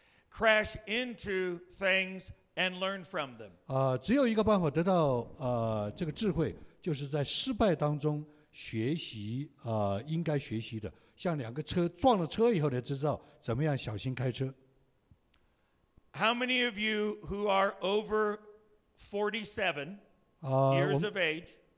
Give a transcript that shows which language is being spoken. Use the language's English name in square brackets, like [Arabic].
[English] Crash into things and learn from them. [Chinese] 只有一个办法得到这个智慧，就是在失败当中学习应该学习的。像两个车撞了车以后，才知道怎么样小心开车。 [English] How many of you who are over 47 years of age?